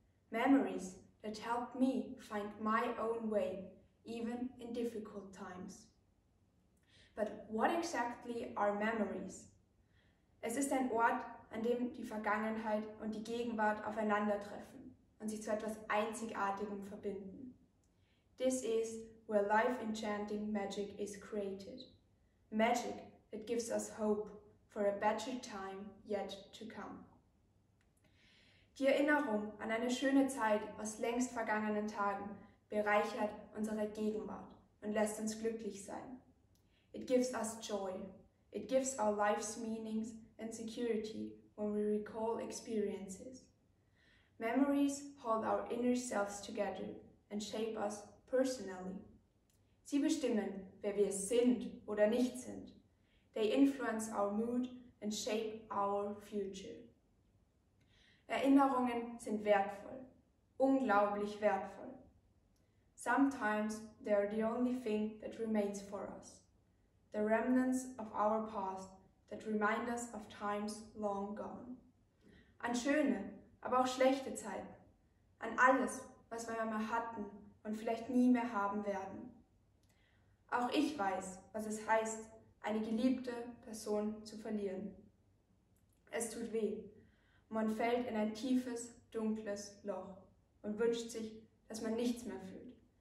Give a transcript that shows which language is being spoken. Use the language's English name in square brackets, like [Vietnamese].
[English] Memories that help me find my own way, even in difficult times. But what exactly are memories? [German] Es ist ein Ort, an dem die Vergangenheit und die Gegenwart aufeinandertreffen und sich zu etwas Einzigartigem verbinden. [English] This is where life-enchanting magic is created. Magic that gives us hope for a better time yet to come. [German] Die Erinnerung an eine schöne Zeit aus längst vergangenen Tagen bereichert unsere Gegenwart und lässt uns glücklich sein. [English] It gives us joy. It gives our lives meanings and security when we recall experiences. Memories hold our inner selves together and shape us personally. [German] Sie bestimmen, wer wir sind oder nicht sind. [English] They influence our mood and shape our future. [German] Erinnerungen sind wertvoll, unglaublich wertvoll. [English] Sometimes they are the only thing that remains for us. The remnants of our past that remind us of times long gone. [German] An schöne, aber auch schlechte Zeiten. An alles, was wir mal hatten und vielleicht nie mehr haben werden. Auch ich weiß, was es heißt, eine geliebte Person zu verlieren. Es tut weh. Man fällt in ein tiefes, dunkles Loch und wünscht sich, dass man nichts mehr fühlt.